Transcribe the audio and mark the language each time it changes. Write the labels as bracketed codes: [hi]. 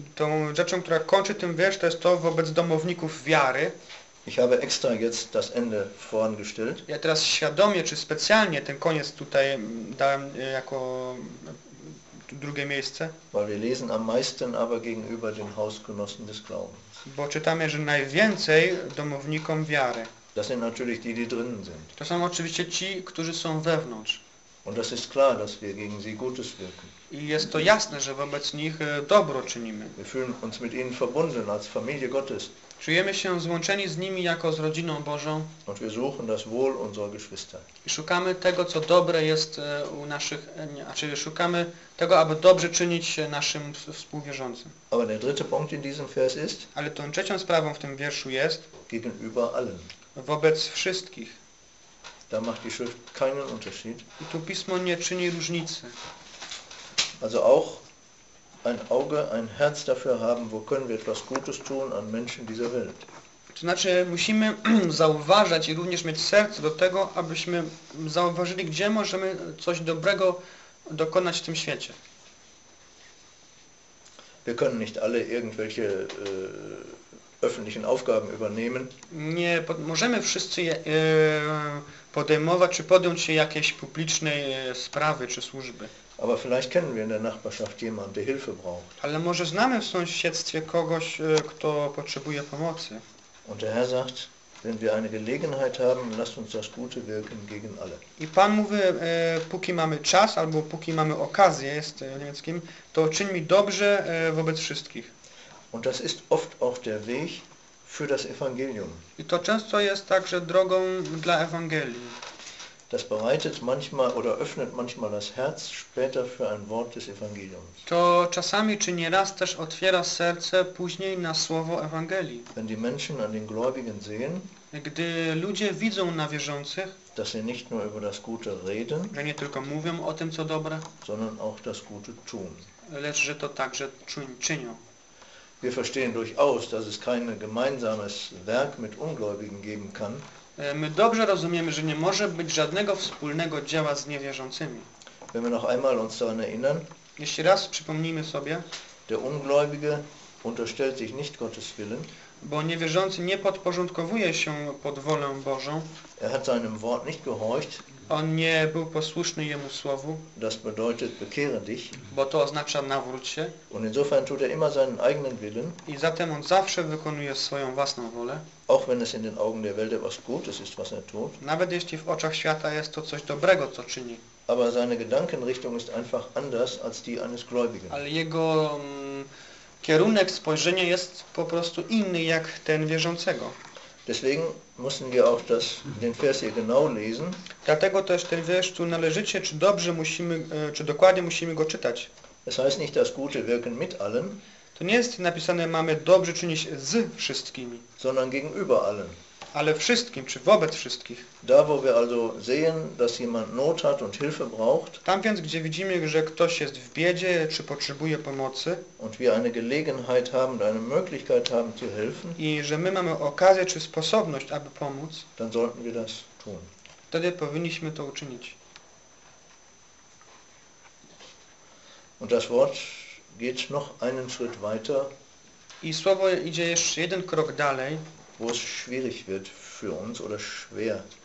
[pl] Tą rzeczą, która kończy ten wiersz, to jest to wobec domowników wiary. [de] Ich habe extra jetzt das Ende vorangestellt. [pl] Ja teraz świadomie czy specjalnie ten koniec tutaj dałem jako drugie miejsce. [de] Weil wir lesen am meisten aber gegenüber den Hausgenossen des Glaubens. [pl] Bo czytamy, że najwięcej domownikom wiary. [de] Das sind natürlich die, die drinnen sind. [pl] To są oczywiście ci, którzy są wewnątrz. [de] Und das ist klar, dass wir gegen sie Gutes wirken. [pl] I jest to jasne, że wobec nich dobro czynimy. [de] Wir fühlen uns mit ihnen verbunden als Familie Gottes. [pl] Czujemy się złączeni z nimi jako z rodziną Bożą. [de] Und wir suchen das Wohl unserer Geschwister. [pl] I szukamy tego, co dobre jest u naszych, znaczy szukamy tego, aby dobrze czynić naszym współwierzącym. [de] Aber der dritte Punkt in diesem Vers ist, [pl] ale tą trzecią sprawą w tym wierszu jest [de] gegenüber allen. [pl] Wobec wszystkich. [de] Da macht die Schrift keinen Unterschied. [pl] I tu Pismo nie czyni różnicy. [de] Also auch ein Auge, ein Herz dafür haben, wo können wir etwas Gutes tun an Menschen dieser Welt. [pl] To znaczy, musimy zauważać i również mieć serce do tego, abyśmy zauważyli, gdzie możemy coś dobrego dokonać w tym świecie. [de] Wir können nicht alle irgendwelche öffentlichen Aufgaben übernehmen. [pl] Nie możemy wszyscy podejmować czy podjąć się jakiejś publicznej sprawy czy służby. [de] Aber vielleicht kennen wir in der Nachbarschaft jemanden, der Hilfe braucht. [pl] Ale może znamy w sąsiedztwie kogoś, kto potrzebuje pomocy. [de] Und der Herr sagt, wenn wir eine Gelegenheit haben, lasst uns das Gute wirken gegen alle. [pl] I Pan mówi, póki mamy czas albo póki mamy okazję, jest niemieckim, to czyń mi dobrze wobec wszystkich. [de] Und das ist oft auch der Weg für das Evangelium. [pl] I to często jest także drogą dla Ewangelii. [de] Das bereitet manchmal oder öffnet manchmal das Herz später für ein Wort des Evangeliums. [pl] To czasami czy nieraz też otwiera serce później na słowo Ewangelii. [de] Wenn die Menschen an den Gläubigen sehen, [pl] gdy ludzie widzą na wierzących, [de] dass sie nicht nur über das Gute reden, [pl] że nie tylko mówią o tym, co dobre, [de] sondern auch das Gute tun. [pl] Lecz że to także czynią. [de] Wir verstehen durchaus, dass es kein gemeinsames Werk mit Ungläubigen geben kann. [pl] My dobrze rozumiemy, że nie może być żadnego wspólnego dzieła z niewierzącymi. [de] Wenn wir noch einmal uns daran erinnern, [pl] jeśli raz przypomnijmy sobie, [de] der Ungläubige unterstellt sich nicht Gottes Willen, [pl] bo niewierzący nie podporządkowuje się pod wolę Bożą. [de] Er hat seinem Wort nicht gehorcht. [pl] On nie był posłuszny Jemu Słowu. [de] Das bedeutet, bekehre dich. [pl] Bo to oznacza nawróć się. [de] Und insofern tut er immer seinen eigenen Willen. [pl] I zatem on zawsze wykonuje swoją własną wolę. [de] Auch wenn es in den Augen der Welt etwas Gutes ist, was er tut. [pl] Nawet jeśli w oczach świata jest to coś dobrego, co czyni. [de] Aber seine Gedankenrichtung ist einfach anders als die eines Gläubigen. [pl] Ale jego kierunek spojrzenia jest po prostu inny jak ten wierzącego. [de] Deswegen müssen wir auch das, den Vers hier genau lesen. [pl] Dlatego też ten wiersz tu należycie, czy dobrze musimy, czy dokładnie musimy go czytać. [de] Es heißt nicht, das Gute wirken mit allen. [pl] To nie jest napisane, mamy dobrze czynić z wszystkimi. [de] Sondern gegenüber allen. [pl] Ale wszystkim, czy wobec wszystkich. [de] Da, wo wir also sehen, dass jemand Not hat und Hilfe braucht. [pl] Tam więc, gdzie widzimy, że ktoś jest w biedzie, czy potrzebuje pomocy. [de] Und wir eine Gelegenheit haben, eine Möglichkeit haben, zu helfen. [pl] I że my mamy okazję, czy sposobność, aby pomóc. [de] Dann sollten wir das tun. [pl] Wtedy powinniśmy to uczynić. [de] Und das Wort geht noch einen Schritt weiter, [pl] I słowo idzie jeszcze jeden krok dalej, [de] wo es schwierig wird für uns oder schwer.